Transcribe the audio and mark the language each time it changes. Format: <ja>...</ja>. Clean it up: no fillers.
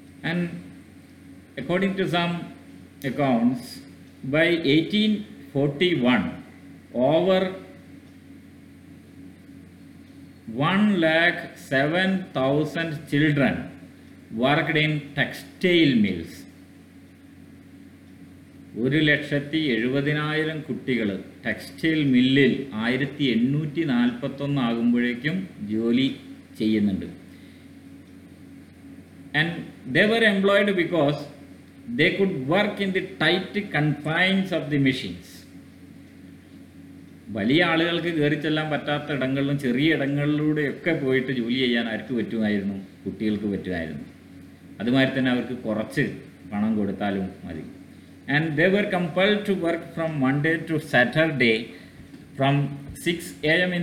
<en>And according to some accounts, by 1841 over 107,000 children worked in textile mills.</en> <ml>170,000 കുട്ടികൾ textile മില്ലിൽ 1841 ആകുമ്പോഴേക്കും ജോലി ചെയ്യുന്നുണ്ട്.</ml> <en>And they were employed because they could work in the tight confines of the machines.</en> <ml>വലിയ ആളുകൾക്ക് കയറി ചെല്ലാൻ പറ്റാത്ത ഇടങ്ങളിലും ചെറിയ ഇടങ്ങളിലൂടെയൊക്കെ പോയിട്ട് ജോലി ചെയ്യാൻ ആർക്ക് പറ്റുമായിരുന്നു? കുട്ടികൾക്ക് പറ്റുമായിരുന്നു. അതുമാതിരി തന്നെ അവർക്ക് കുറച്ച് പണം കൊടുത്താലും മതി.</ml> <en>And they were compelled to work from Monday to Saturday from 6 a.m.</en>